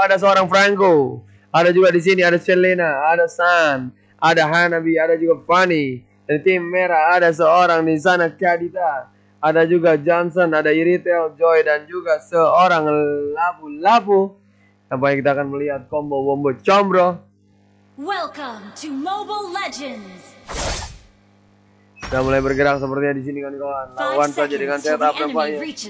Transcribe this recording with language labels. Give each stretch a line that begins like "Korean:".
Indonesian: Ada seorang Franco, ada juga di sini ada Selena, ada San, ada Hanabi, ada juga Fanny. Dan di tim merah ada seorang di sana Kadita, ada juga Johnson, ada Iritel, Joy, dan juga seorang Labu-Labu. Nampaknya kita akan melihat combo-combo combro.
English: Welcome to Mobile Legends.
Indonesian: Sudah mulai bergerak sepertinya di sini kawan-kawan. Lawan saja dengan setup tempatnya.